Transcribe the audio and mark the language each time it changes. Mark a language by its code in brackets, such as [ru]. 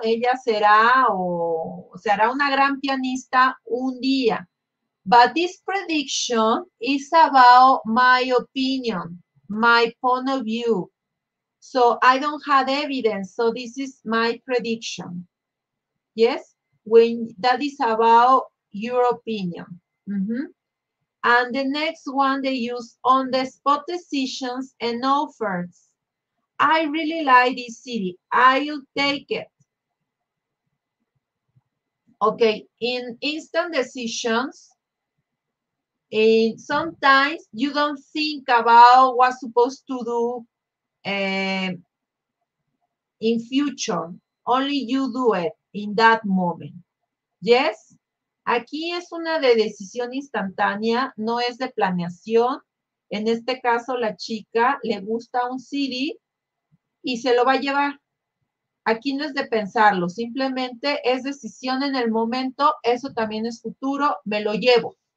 [es] Ella será o será una gran pianista un día. [en] But this prediction is about my opinion, my point of view. So I don't have evidence, so this is my prediction. Yes? When that is about your opinion. And the next one, they use on-the-spot decisions and offers. I really like this city. I'll take it. Okay, in instant decisions, sometimes you don't think about what's supposed to do in future. Only you do it in that moment. Yes? [es] Aquí es una de decisión instantánea, no es de planeación. En este caso, la chica le gusta un CD y se lo va a llevar. Aquí no es de pensarlo, simplemente es decisión en el momento, eso también es futuro, me lo llevo.